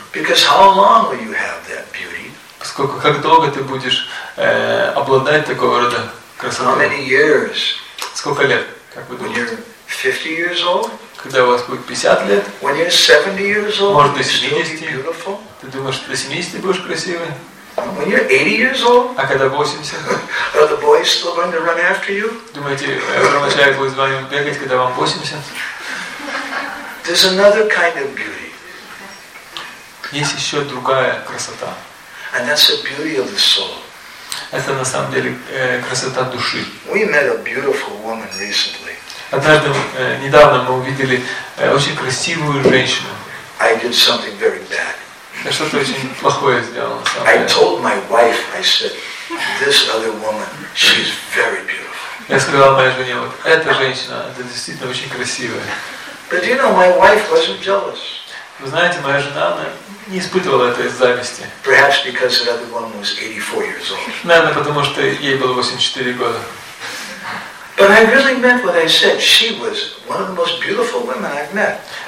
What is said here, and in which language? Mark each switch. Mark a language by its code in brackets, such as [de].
[en] Because how long will you have that beauty? [ru] Поскольку как долго ты будешь обладать такого рода красотой? [en] How many years? [ru] Сколько лет? Как вы думаете? [en] When you're 50 years old? [ru] Когда у вас будет 50 лет? [en] When you're 70 years old? [ru] Может, до 70? Ты думаешь, что до 70 будешь красивый? [en] When you're 80 years old, [ru] а когда 80? [en] Are the boys still going to run after you? [ru] Думаете, брахмачари будут за вами бегать, когда вам 80? [en] There's another kind of beauty. [ru] Есть еще другая красота. [en] And that's the beauty of the soul. [ru] Это на самом деле красота души. [en] We met a beautiful woman recently. [ru] Однажды недавно мы увидели очень красивую женщину. [en] I did something very bad. [ru] Я что-то очень плохое сделал. [en] I told my wife, I said, this other woman, she's very beautiful. [ru] Я сказал моей жене, вот эта женщина, это действительно очень красивая. [en] But you know, my wife wasn't jealous. [ru] Вы знаете, моя жена, она не испытывала этой зависти. [en] Perhaps because the other woman was 84 years old. [ru] Наверное, потому что ей было 84 года. [en] But I really meant what I said. She was one of the most beautiful women I've met.